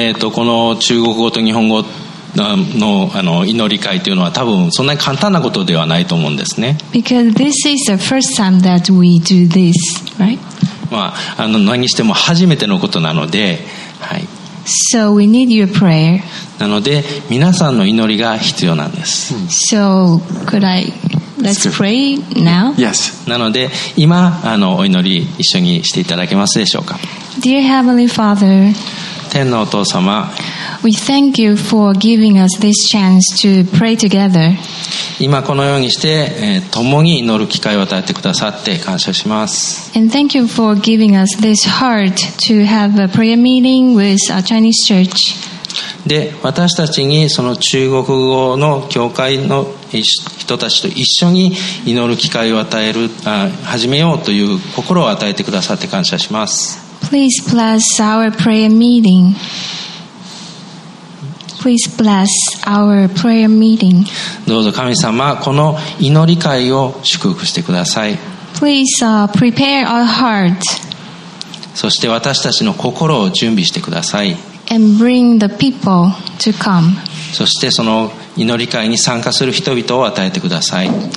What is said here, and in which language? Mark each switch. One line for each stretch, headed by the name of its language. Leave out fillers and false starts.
Japanese: この中国語と日本語 の, 祈り会というのは多分そんなに簡単なことではないと思うんですね。
English: Because this is the first time that we do this, right?
Japanese: 何しても初めてのことなので、はい、
English: So we need your prayer.
Japanese: なので皆さんの祈りが必要なんです。
English: So let's pray now? Yes.
Japanese: なので今お祈り一緒にしていただけますでしょうか。
English: Dear Heavenly Father,
Japanese: 天のお父様、
English: We thank you for giving us this chance to pray together.
Japanese: 今このようにして、共に祈る機会を与えてくださって感謝します。
English: And thank you for giving us this heart to have a prayer meeting with our Chinese church.
Japanese: で、私たちにその中国語の教会の人たちと一緒に祈る機会を与える、始めようという心を与えてくださって感謝します。
English: Please bless our prayer meeting. Please bless our prayer meeting.
Japanese: どうぞ神様、この祈り会を祝福してください。
English: Please prepare our heart.
Japanese: そして私たちの心を準備してください。
English: And bring the people to come.
Japanese: そしてその祈り会に参加する人々を与えてください。